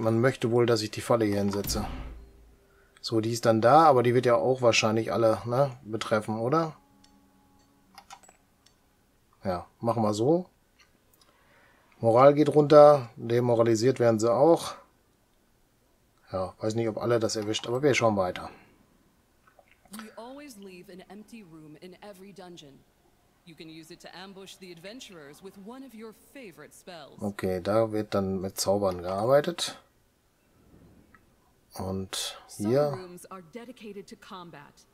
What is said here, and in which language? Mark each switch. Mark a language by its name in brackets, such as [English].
[German] Man möchte wohl, dass ich die Falle hier hinsetze. So, die ist dann da, aber die wird ja auch wahrscheinlich alle, ne, betreffen, oder? Ja, machen wir so. Moral geht runter. Demoralisiert werden sie auch. Ja, weiß nicht, ob alle das erwischt, aber wir schauen weiter. [English] We always leave an empty room in every dungeon. You can use it to ambush the adventurers with one of your favorite spells. [German] Okay, da wird dann mit Zaubern gearbeitet. Und hier. [English] Some rooms are dedicated to combat.